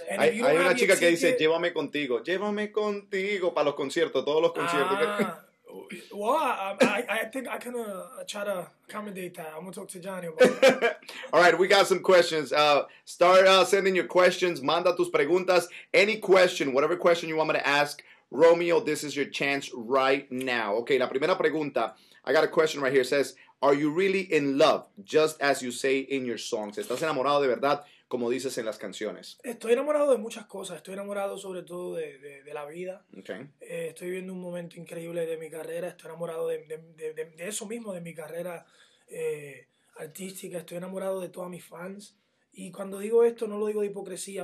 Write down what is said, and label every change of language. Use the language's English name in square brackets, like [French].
[Spanish] Hay una chica que dice, llévame contigo para los conciertos, todos los conciertos. [English] Well, I think I can try to accommodate that. I'm going to talk to Johnny about that. All right, we got some questions. Start sending your questions. [Spanish] Manda tus preguntas. [English] Any question, whatever question you want me to ask, Romeo, this is your chance right now. Okay, [Spanish] la primera pregunta. [English] I got a question right here. It says, are you really in love, just as you say in your songs? [Spanish] ¿Estás enamorado de verdad, como dices en las canciones? Estoy enamorado de muchas cosas. Estoy enamorado sobre todo de la vida. [English] Okay. [Spanish] Estoy viviendo un momento increíble de mi carrera. Estoy enamorado de eso mismo, de mi carrera artística. Estoy enamorado de todas mis fans. Y cuando digo esto, no lo digo de hipocresía.